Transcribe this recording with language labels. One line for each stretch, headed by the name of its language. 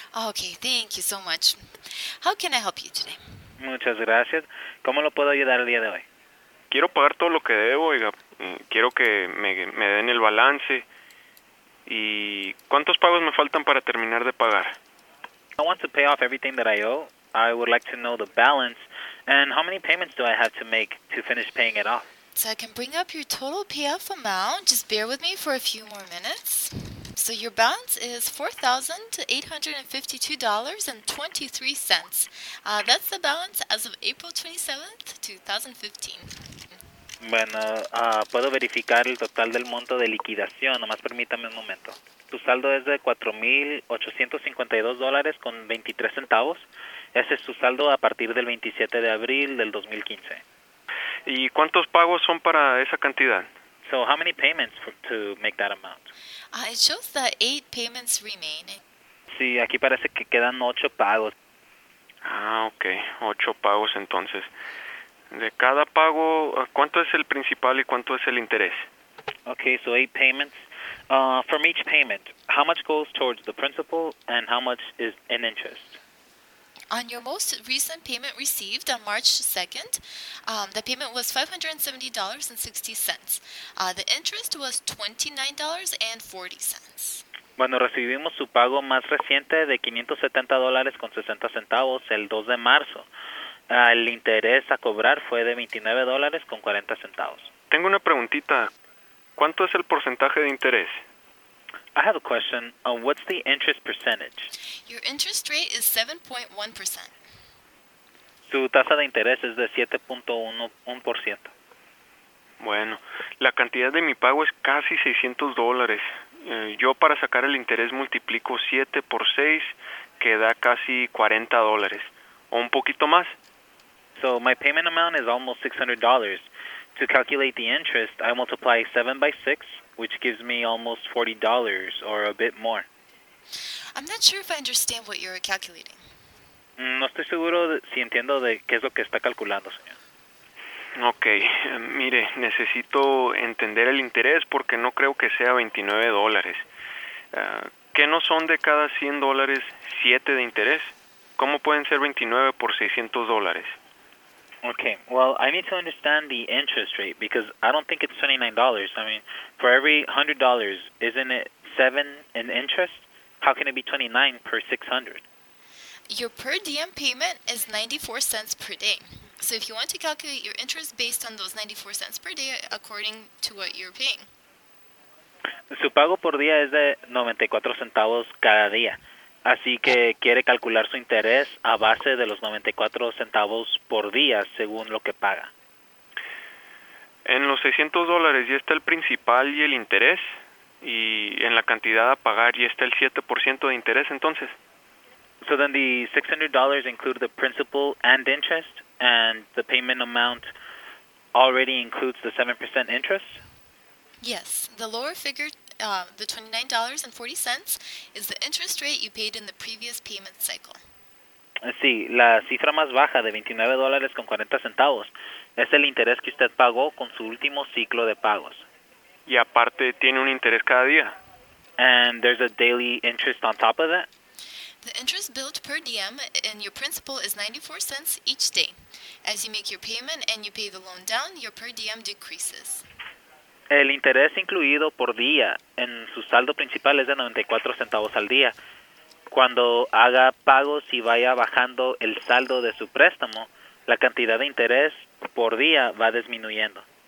English: Okay, thank you so much. How can I help you today?
Spanish: Muchas gracias. ¿Cómo lo puedo ayudar el día de hoy? Quiero pagar todo lo que debo, oiga. Quiero que me den el balance. ¿Y cuántos pagos me faltan para terminar de pagar?
English: I want to pay off everything that I owe. I would like to know the balance. And how many payments do I have to make to finish paying it off? So I can bring up your total payoff amount. Just bear with me for a few more minutes. So your balance is $4,852.23. That's the balance as of April 27th, 2015.
Spanish: Bueno, puedo verificar el total del monto de liquidación. Nomás permítame un momento. Tu saldo es de $4,852.23. Ese es tu saldo a partir del 27 de abril del 2015. ¿Y cuántos pagos son para esa cantidad?
English: So, how many payments to make that amount? It shows that 8 payments remain.
Spanish: Sí, aquí parece que quedan 8 pagos. Ah, okay. 8 pagos entonces. De cada pago, ¿cuánto es el principal y cuánto es el interés?
English: Okay, so 8 payments. From each payment, how much goes towards the principal and how much is in interest? On your most recent payment received on March 2nd, the payment was $570.60. The interest was $29.40.
Spanish: Bueno, recibimos su pago más reciente de $570.60 el 2 de marzo. El interés a cobrar fue de $29.40. Tengo una preguntita. ¿Cuánto es el porcentaje de interés?
English: I have a question. What's the interest percentage? Your interest rate is 7.1%.
Spanish: Su tasa de interés es de 7.1%. Bueno, la cantidad de mi pago es casi $600. Yo para sacar el interés multiplico 7 por 6, que da casi $40, o un poquito más.
English: So my payment amount is almost $600. To calculate the interest, I multiply 7 by 6, which gives me almost $40 or a bit more. I'm not sure if I understand what you're calculating.
Spanish: No estoy seguro si entiendo de qué es lo que está calculando, señor. Okay, mire, necesito entender el interés porque no creo que sea $29. ¿Qué no son de cada $100 7 de interés? ¿Cómo pueden ser 29 por $600?
English: Okay, well, I need to understand the interest rate because I don't think it's $29. I mean, for every $100, isn't it 7 in interest? How can it be 29 per 600? Your per diem payment is 94 cents per day. So if you want to calculate your interest based on those 94 cents per day according to what you're paying.
Spanish: Su pago por día es de 94 centavos cada día. Así que quiere calcular su interés a base de los 94 centavos por día según lo que paga. En los $600 ya está el principal y el interés. Y en la cantidad a pagar ya está el 7% de interés entonces.
English: So then the $600 include the principal and interest and the payment amount already includes the 7% interest? Yes. The lower figure, the $29.40, is the interest rate you paid in the previous payment cycle.
Spanish: Sí, la cifra más baja de $29.40 es el interés que usted pagó con su último ciclo de pagos. Y aparte tiene un interés cada día.
English: And there's a daily interest on top of that? The interest billed per diem in your principal is 94 cents each day. As you make your payment and you pay the loan down, your per diem decreases.
Spanish: El interés incluido por día en su saldo principal es de 94 centavos al día. Cuando haga pagos y vaya bajando el saldo de su préstamo, la cantidad de interés por día va disminuyendo.